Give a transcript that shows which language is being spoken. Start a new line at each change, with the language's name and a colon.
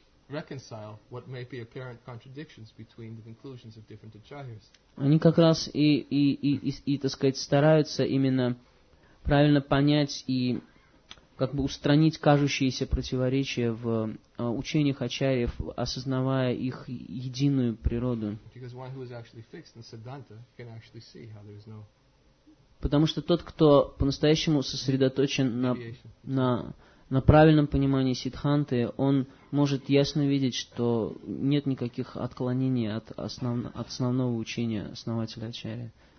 English: Reconcile what may be apparent contradictions between the conclusions of different acharyas.
Russian: Они как раз и так сказать, стараются именно правильно понять и как бы устранить кажущиеся противоречия в учениях ачарьев, осознавая их единую природу.
English: Because one who is actually fixed in Siddhanta can actually see how there is no.
Russian: Потому что тот, кто по-настоящему сосредоточен на правильном понимании Сиддханты, он может ясно видеть, что нет никаких отклонений от основного учения основателя Ачарьи.